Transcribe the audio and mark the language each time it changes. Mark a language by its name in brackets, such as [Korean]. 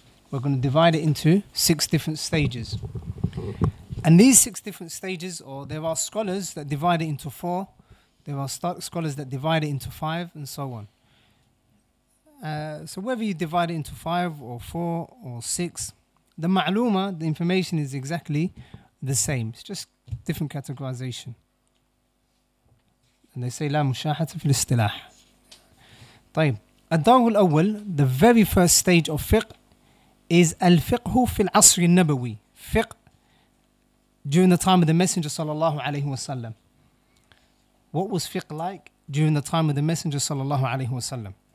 [English] We're going to divide it into 6 different stages. And these 6 different stages, or there are scholars that divide it into 4, there are scholars that divide it into 5, and so on. So whether you divide it into 5 or 4 or 6, the ma'luma, the information is exactly the same. It's just different categorization. And they say, [Arabic] لا مشاحة في الاستلاح. طيب. الدار الأول, [English] the very first stage of fiqh, is [Arabic] الفقه في العصر النبوي. [English] Fiqh during the time of the Messenger صلى الله عليه وسلم. What was fiqh like during the time of the Messenger صلى الله عليه وسلم?